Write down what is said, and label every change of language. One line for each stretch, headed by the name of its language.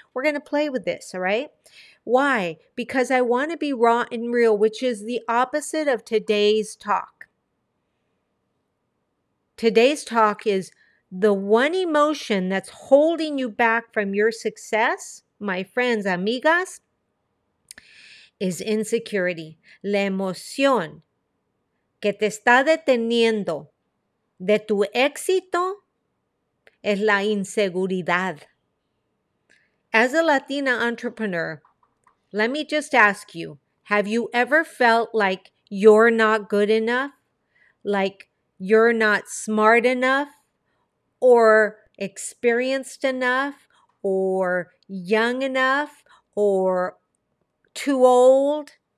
English: We're going to play with this, all right? Why? Because I want to be raw and real, which is the opposite of today's talk. Today's talk is the one emotion that's holding you back from your success, my friends, amigas, is insecurity.
Spanish: La emoción que te está deteniendo de tu éxito es la inseguridad.
English: As a Latina entrepreneur, let me just ask you, have you ever felt like you're not good enough, like you're not smart enough, or experienced enough, or young enough, or too old?